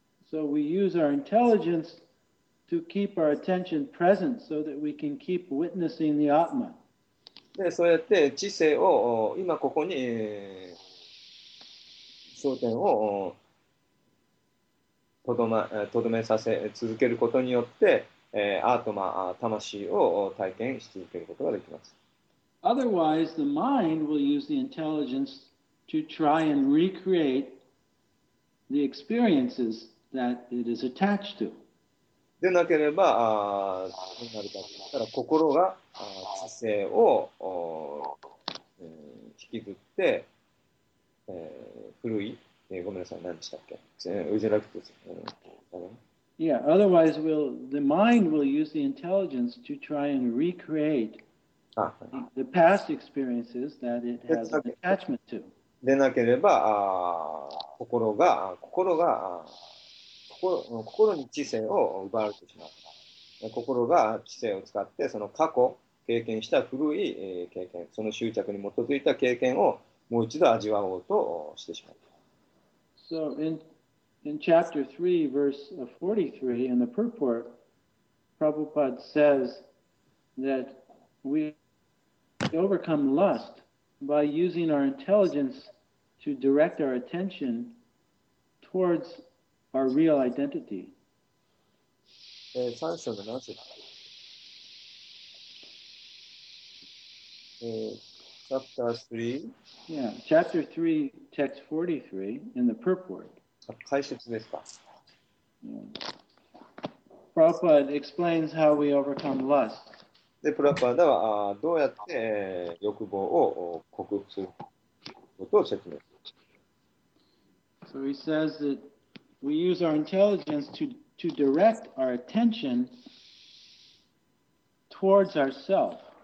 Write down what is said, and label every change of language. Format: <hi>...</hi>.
<en>So we use our intelligence to keep our attention present so that we can keep witnessing the Atma.</en> <ja>で、そうやって知性を今ここに焦点をとどめさせ続けることによって、アートマ、魂を体験し続けることができます。</ja> <en>Otherwise, the mind will use the intelligence to try and recreate the experiences that it is attached to.</en> <ja>でなければ、どうなるかといったら、心が知性を引きずって、古い、ごめんなさい、何でしたっけ、ウジラクトス。</ja> <en>Yeah, otherwise, the mind will use the intelligence to try and recreate the past experiences that it has an attachment to.</en> <ja>でなければ、心に知性を奪われてしまう。心が知性を使ってその過去経験した古い経験、その執着に基づいた経験をもう一度味わおうとしてしまう。</ja> <en>So in chapter 3, verse 43, in the purport, Prabhupada says that We overcome lust by using our intelligence to direct our attention towards our real identity.</en> <ja>3章の何節、</ja> <en>Chapter 3. Yeah, chapter 3, text 43 in the purport.</en> <ja>解説ですか。</ja> <en>Prabhupada explains how we overcome lust.</en> <ja>で、プラパダはどうやって欲望を克服することを説明する。</ja> <en>So he says that we use our intelligence to direct our attention towards ourself.</en>